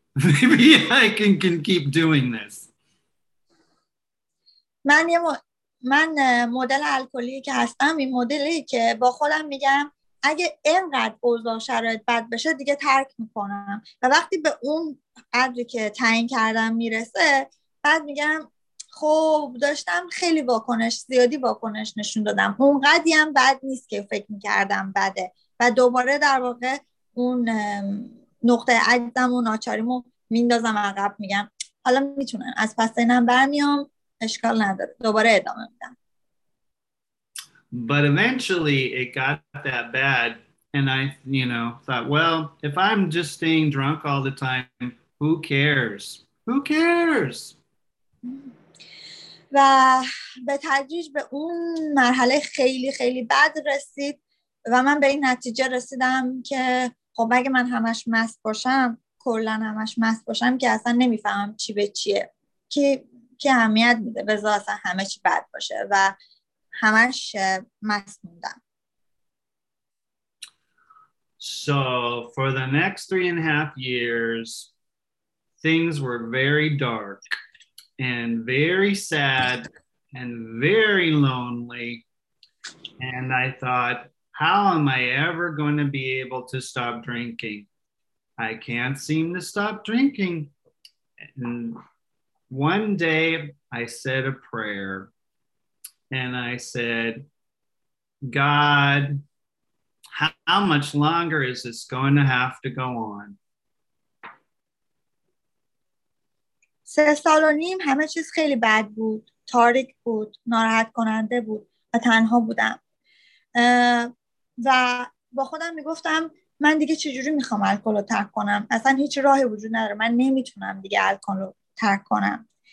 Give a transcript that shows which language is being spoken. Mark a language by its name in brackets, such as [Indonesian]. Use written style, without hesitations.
[English] Maybe I can keep doing this. [Persian] من مدل الکلی که هستم، این مدلی که با خودم میگم اگه اینقدر اوضاع شرایط بد بشه دیگه ترک میکنم و وقتی به اون قدری که تعیین کردم میرسه بعد میگم خب داشتم خیلی واکنش زیادی واکنش نشون دادم، اونقدی هم بد نیست که فکر میکردم بده و دوباره در واقع اون نقطه عجزم و ناچاریمو میندازم عقب، میگم حالا میتونم از پس اینم برمیام اشکال نداره، دوباره ادامه میدم. [English] But eventually it got that bad and I, you know, thought, well, if I'm just staying drunk all the time, who cares? Who cares? [Persian] و به تدریج به اون مرحله خیلی خیلی بد رسید و من به این نتیجه رسیدم که خب اگه من همش مست باشم، کلن همش مست باشم که اصلا نمیفهمم چی به چیه، که اهمیت میده بذار اصلا همه چی بد باشه و همش مست موندم. [English] So for the next 3.5 years things were very dark and very sad and very lonely and I thought, how am I ever going to be able to stop drinking? I can't seem to stop drinking. And one day I said a prayer And I said, God, how much longer is this going to have to go on? [Persian] سه سال و نیم همه چیز خیلی بد بود. تاریک بود. ناراحت کننده بود. و تنها بودم. و با خودم میگفتم من دیگه چجوری میخوام الکل رو ترک کنم. اصلا هیچ راهی وجود نداره. من نمیتونم دیگه الکل رو ترک کنم.